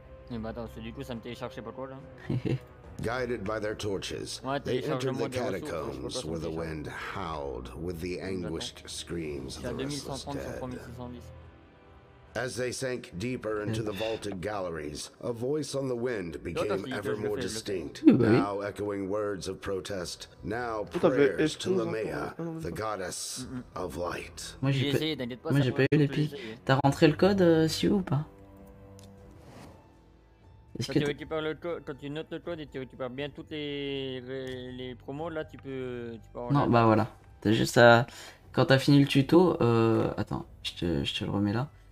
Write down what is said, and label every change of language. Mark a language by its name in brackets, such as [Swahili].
[French] Mais bah attends, du coup ça me télécharge, je sais pas quoi là. [English] Guided by their torches, they entered the catacombs where the wind howled with the anguished screams of the restless dead. As they sank deeper into the vaulted galleries, a voice on the wind became ever more distinct, now echoing words of protest, now prayers to Lamea, the goddess of light. [French] Moi j'ai pas eu l'épique. T'as rentré le code, Siou, ou pas? Est-ce quand, que tu récupères le quand tu notes le code et tu récupères bien toutes les promos, là tu peux non, bah voilà. T'as juste à... Quand t'as fini le tuto, attends, je te le remets là.